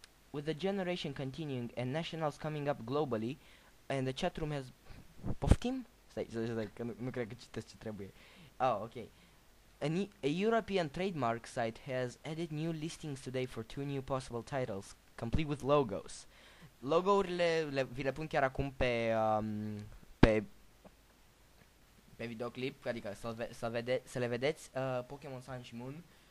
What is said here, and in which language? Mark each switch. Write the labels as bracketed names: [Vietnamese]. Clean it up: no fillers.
[English] With the generation continuing and nationals coming up globally, and the chat room has... [Romanian] Poftim? Stai, că nu cred că citesc ce trebuie. [English] Oh, ok. A European trademark site has added new listings today for two new possible titles, complete with logos. [Romanian] Logo-urile vi le pun chiar acum pe... pe videoclip, adică să le vedeți, Pokémon Sun și Moon.